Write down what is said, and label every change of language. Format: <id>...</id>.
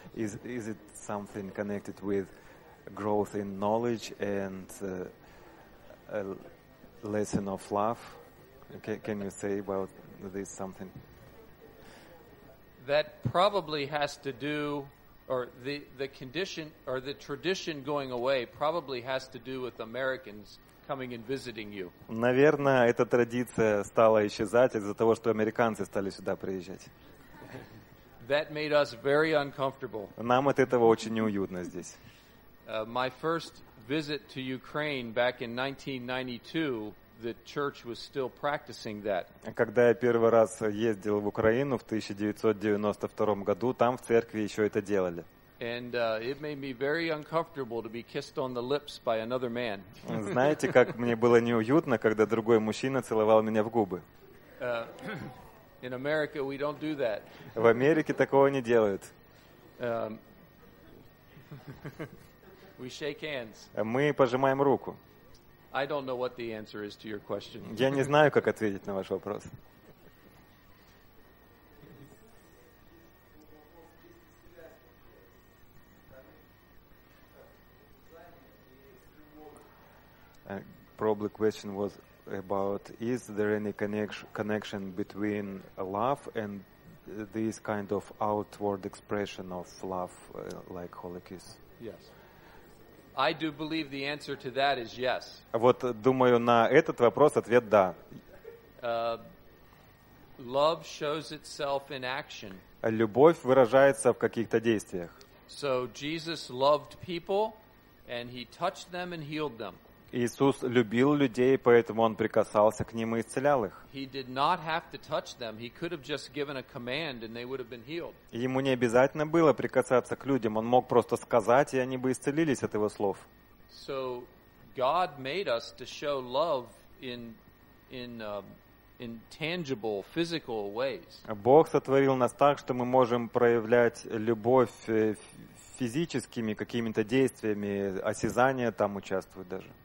<en>Is it something connected with growth in knowledge and a lesson of love? Can you say about this something? That probably has to do, or the condition, or the tradition going away probably has to do with Americans coming and visiting you.</en> <ru>Наверное, эта традиция стала исчезать из-за того, что американцы стали сюда приезжать.</ru> <en>That made us very uncomfortable.</en> <ru>Нам от этого очень неуютно здесь.</ru> <en>My first visit to Ukraine back in 1992... The church was still practicing that.</en> <ru>Когда я первый раз ездил в Украину в 1992 году, там в церкви еще это делали.</ru> <en>And it made me very uncomfortable to be kissed on the lips by another man.</en> <ru>Знаете, как мне было неуютно, когда другой мужчина целовал меня в губы.</ru> <en>In America we don't do that.</en> <ru>В Америке такого не делают.</ru> <en>We shake hands.</en> <ru>Мы пожимаем руку.</ru> <en>I don't know what the answer is to your question.</en> <ru>Я не знаю, как ответить на ваш вопрос.</ru> <en>Probably question was about, is there any connection between love and this kind of outward expression of love, like holy kiss? Yes. I do believe the answer to that is yes.</en> <ru>Вот думаю, на этот вопрос ответ да.</ru> <en>Love shows itself in action.</en> <ru>Любовь выражается в каких-то действиях.</ru> <en>So Jesus loved people and he touched them and healed them.</en> <ru>Иисус любил людей, поэтому Он прикасался к ним и исцелял их.</ru> <en>He did not have to touch them. He could have just given a command and they would have been healed.</en> <ru>Ему не обязательно было прикасаться к людям. Он мог просто сказать, и они бы исцелились от Его слов.</ru> <en>So God made us to show love in tangible, physical ways.</en> <ru>Бог сотворил нас так, что мы можем проявлять любовь физическими какими-то действиями, осязания там участвуют даже.</ru>